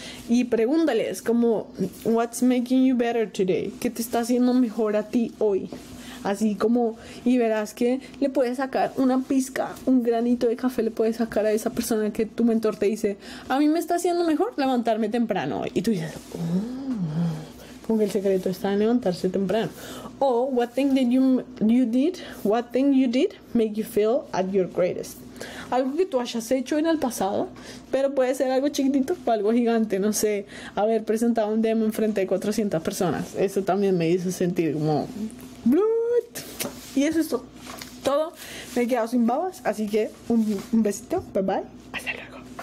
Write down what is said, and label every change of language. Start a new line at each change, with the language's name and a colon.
Spanish: Y pregúntales como
English: what's making you better today,
Spanish: qué te está haciendo mejor a ti hoy, así como, y verás que le puedes sacar una pizca, un granito de café le puedes sacar a esa persona que tu mentor te dice, a mí me está haciendo mejor levantarme temprano hoy. Y tú dices, como que el secreto está en levantarse temprano.
English: O what thing you did make you feel at your greatest.
Spanish: Algo que tú hayas hecho en el pasado, pero puede ser algo chiquitito o algo gigante, no sé, haber presentado un demo en frente de 400 personas. Eso también me hizo sentir como ¡blut! Y eso es todo. Me he quedado sin babas, así que un besito, bye bye, hasta luego.